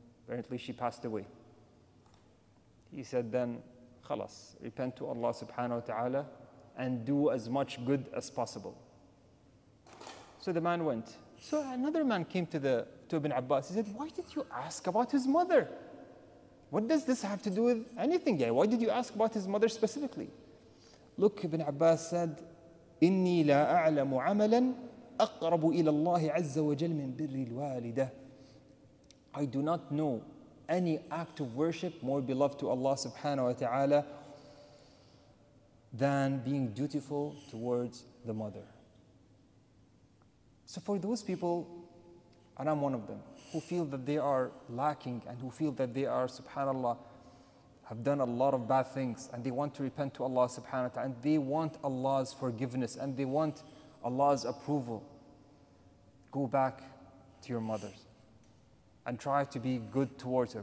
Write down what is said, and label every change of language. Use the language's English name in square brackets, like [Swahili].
[English] Apparently she passed away. He said, then, khalas, repent to Allah subhanahu wa ta'ala and do as much good as possible. So the man went. So another man came to Ibn Abbas. He said, why did you ask about his mother? What does this have to do with anything? Yeah, why did you ask about his mother specifically? Look, Ibn Abbas said, [Arabic] إِنِّي لَا أَعْلَمُ عَمَلًا أَقْرَبُ إِلَى اللَّهِ عَزَّ وَجَلْ مِنْ بِرِّ الْوَالِدَةِ. [English] I do not know any act of worship more beloved to Allah subhanahu wa ta'ala than being dutiful towards the mother. So for those people, and I'm one of them, who feel that they are lacking and who feel that they are, subhanallah, have done a lot of bad things and they want to repent to Allah subhanahu wa ta'ala and they want Allah's forgiveness and they want Allah's approval, go back to your mothers and try to be good towards her.